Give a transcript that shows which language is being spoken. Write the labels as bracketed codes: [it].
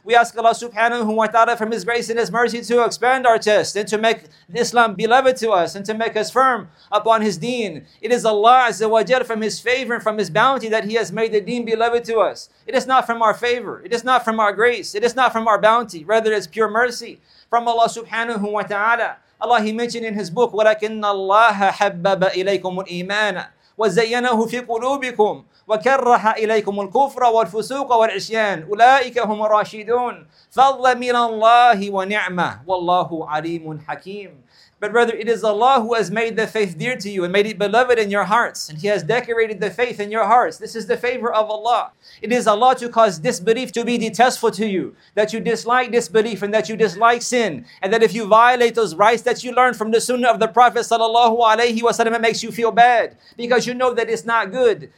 [en] We ask Allah subhanahu wa ta'ala from His grace and His mercy to expand our chest and to make Islam beloved to us and to make us firm upon His deen. It is Allah azza wa jal from His favor and from His bounty that He has made the deen beloved to us. It is not from our favor. It is not from our grace. It is not from our bounty. Rather, it's pure mercy from Allah subhanahu wa ta'ala. Allah, He mentioned in His book, [ar] وَلَكِنَّ اللَّهَ حَبَّبَ إِلَيْكُمُ الْإِيمَانَ وَزَيَّنَهُ فِي قُلُوبِكُمْ وَكَرَّحَ إِلَيْكُمُ الْكُفْرَ وَالْفُسُوقَ وَالْعِصْيَانَ أُولَٰئِكَ هُمُ الرَّاشِدُونَ فَضْلًا مِنَ اللَّهِ وَنِعْمَةً وَاللَّهُ عَلِيمٌ حَكِيمٌ. [en] But rather, it is Allah who has made the faith dear to you and made it beloved in your hearts. And He has decorated the faith in your hearts. This is the favor of Allah. It is Allah to cause disbelief to be detestful to you, that you dislike disbelief and that you dislike sin. And that if you violate those rights that you learned from the sunnah of the Prophet sallallahu alayhi wasallam, it makes you feel bad because you know that it's not good.